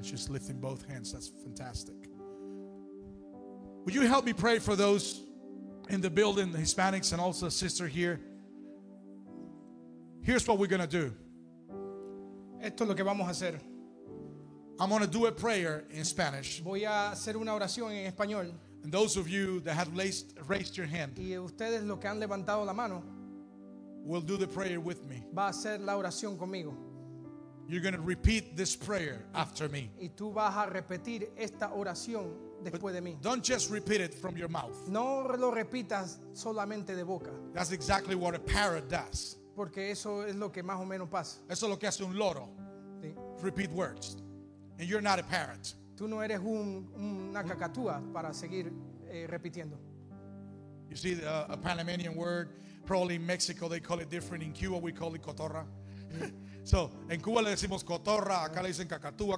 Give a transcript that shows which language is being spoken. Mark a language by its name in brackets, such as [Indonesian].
[English] Just lifting both hands. That's fantastic. Would you help me pray for those in the building, the Hispanics and also a sister here? Here's what we're going to do. [Spanish] Esto es lo que vamos a hacer. [English] I'm going to do a prayer in Spanish. [Spanish] Voy a hacer una oración en español. [English] And those of you that have raised your hand, [Spanish] y ustedes los que han levantado la mano, [English] will do the prayer with me. [Spanish] Va a hacer la oración conmigo. [English] You're going to repeat this prayer after me. [Spanish] Y tú vas a repetir esta oración después [English] but [Spanish] de mí. [English] Don't just repeat it from your mouth. [Spanish] No lo repitas solamente de boca. [English] That's exactly what a parrot does. [Spanish] Porque eso es lo que más o menos pasa. Eso es lo que hace un loro. Sí. [English] Repeat words. And you're not a parrot. [Spanish] Tú no eres una cacatúa para seguir repitiendo. [English] You see a Panamanian word, probably in Mexico they call it different. In Cuba we call it cotorra. [Spanish] So, en Cuba le decimos cotorra, acá le dicen cacatúa.